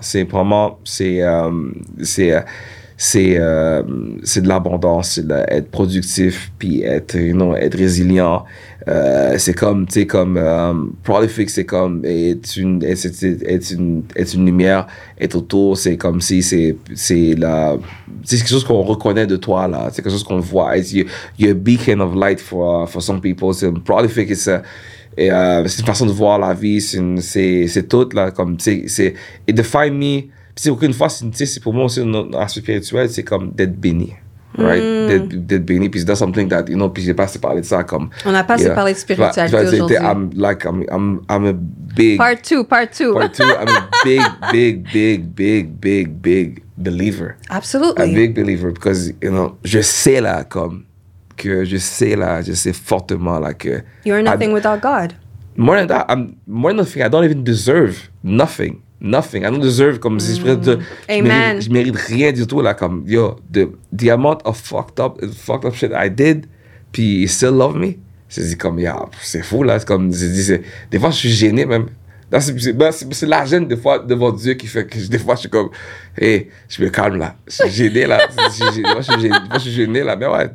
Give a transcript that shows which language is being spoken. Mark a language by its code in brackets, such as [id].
[fr] C'est vraiment, c'est de l'abondance, c'est d'être productif, puis être, you know, être résilient. C'est comme, tu sais, comme prolific, c'est comme être une lumière, être autour, c'est comme si c'est la, c'est quelque chose qu'on reconnaît de toi là, c'est quelque chose qu'on voit. [en] You're a beacon of light for some people. [fr] C'est prolific, c'est une façon de voir la vie, c'est tout là, comme tu sais, c'est [en] it define me. [fr] C'est aucune fois, c'est pour moi aussi un aspect spirituel, c'est comme d'être béni. [en] Right? [fr] Mm. D'être béni. Puis c'est [en] something that, you know, [fr] puis j'ai pas assez parlé de ça. Comme, on a pas assez parlé de spiritualité aujourd'hui. [en] I'm a big. Part two. Part two. I'm a big believer. Absolutely. A big believer. Because, you know, [fr] je sais là, comme, que je sais fortement là que. [en] You're nothing without God. More than that, more than nothing, I don't even deserve nothing. Nothing. I don't deserve, [fr] comme si je prête de... [en] Amen. [fr] Je mérite rien du tout, là, comme, [en] yo, the amount of fucked up shit I did, [fr] puis [en] he still love me. [fr] C'est dit, comme, yeah, c'est fou, là, c'est comme, c'est dit, des fois, je suis gêné, même. C'est la gêne des fois devant Dieu qui fait que des fois je suis comme, hey, je me calme là, je suis gêné là, je suis gêné là, mais ouais.